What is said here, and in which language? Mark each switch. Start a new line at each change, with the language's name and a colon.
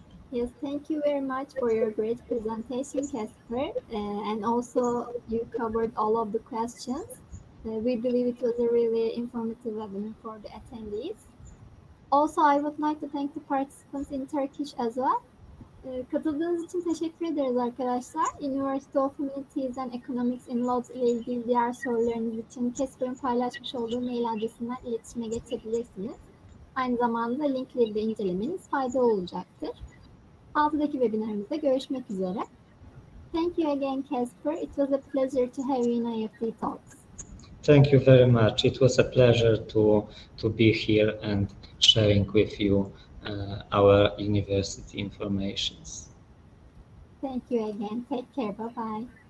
English: Yes, thank you very much for your great presentation, Kasper, and also you covered all of the questions. We believe it was a really informative webinar for the attendees. Also, I would like to thank the participants in Turkish as well.
Turkish: Katıldığınız için teşekkür ederiz arkadaşlar. University of Humanities and Economics in Lodz ile ilgili diğer sorularınız için Kesper'in paylaşmış olduğu mail adresinden iletişime geçebilirsiniz. Aynı zamanda linkleri de incelemeniz fayda olacaktır. Haftadaki webinarımızda görüşmek üzere.
English: Thank you again, Kesper. It was a pleasure to have you in IEFT Talks. Thank you very much. It was a pleasure to be here and sharing with you our university informations. Thank you again. Take care. Bye-bye.